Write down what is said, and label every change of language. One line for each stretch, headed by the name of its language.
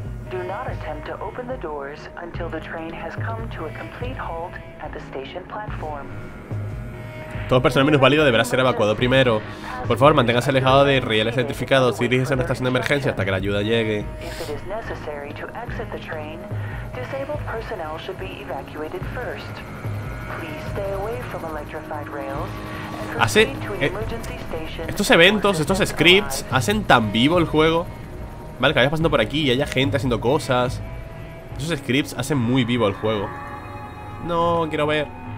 English: Do not attempt to open the doors until the train has come to a complete halt at the station platform.
Spanish: Todo personal menos válido deberá ser evacuado primero. Por favor, manténgase alejado de rieles electrificados y diríjase a una estación de emergencia hasta que la ayuda llegue.
English: If it is necessary to exit the train, disabled personnel should be evacuated first. Please stay away from electrified rails.
Spanish: Hace estos eventos, estos scripts, hacen tan vivo el juego. Vale, que vayas pasando por aquí y haya gente haciendo cosas. Esos scripts hacen muy vivo el juego. No, quiero ver.